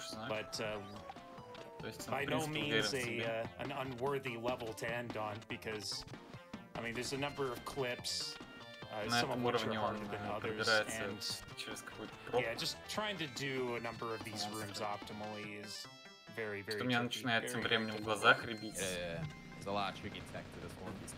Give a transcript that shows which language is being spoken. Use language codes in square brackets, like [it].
[en] But by no means an unworthy level to end on because. I mean, there's a number of clips, some of which are harder than others, and yeah, just trying to do a number of these rooms optimally is very, very tricky. [ru] Что меня начинает тем временем в глазах рябить. [en] Yeah, it's a lot of tricky tech to this one.